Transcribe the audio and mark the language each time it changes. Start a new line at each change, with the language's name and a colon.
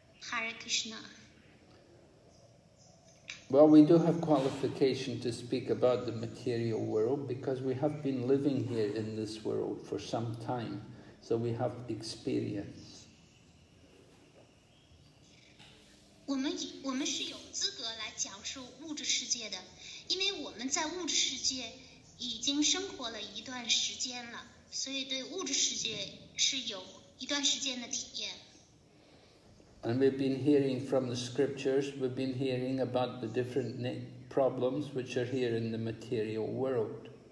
English: Hare Krishna. Well, we do have qualification to speak about the material world because we have been living here in this world for some time, so we have experience.
Chinese: 我们是有资格来讲述物质世界的，因为我们在物质世界已经生活了一段时间了，所以对物质世界是有一段时间的体验。
English: And we've been hearing from the scriptures, we've been hearing about the different problems which are here in the material world.